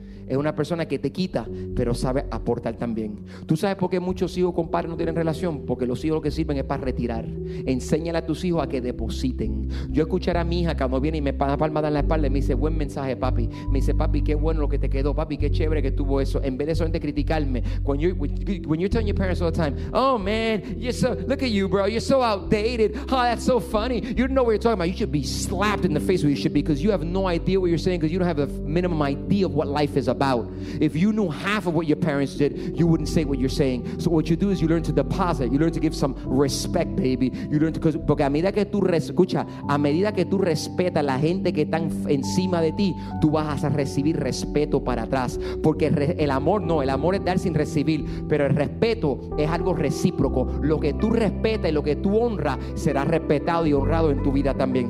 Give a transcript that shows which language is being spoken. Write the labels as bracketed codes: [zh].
[es] es una persona que te quita, pero sabe aportar también. ¿Tú sabes por qué muchos hijos con padres no tienen relación? Porque los hijos lo que sirven es para retirar. Enséñale a tus hijos a que depositen. Yo escuchar a mi hija cuando viene y me da palmada en la espalda y me dice, buen mensaje, papi. Me dice, papi, qué bueno lo que te quedó, papi, qué chévere que estuvo eso. En vez de solamente criticarme, [en] when you're telling your parents all the time, oh man, you're so, look at you, bro, you're so outdated. Oh, that's so funny. You don't know what you're talking about. You should be slapped in the face where you should be, because you have no idea what you're saying, because you don't have a minimum idea of what life is about. If you knew half of what your parents did, you wouldn't say what you're saying. So what you do is you learn to deposit. You learn to give some respect, baby. You learn to, because [es] a medida que tú escucha, a medida que tú respetas la gente que está encima de ti, tú vas a recibir respeto para atrás. Porque el amor no, el amor es dar sin recibir, pero el respeto es algo recíproco. Lo que tú respetas y lo que tú honras será respetado y honrado en tu vida también.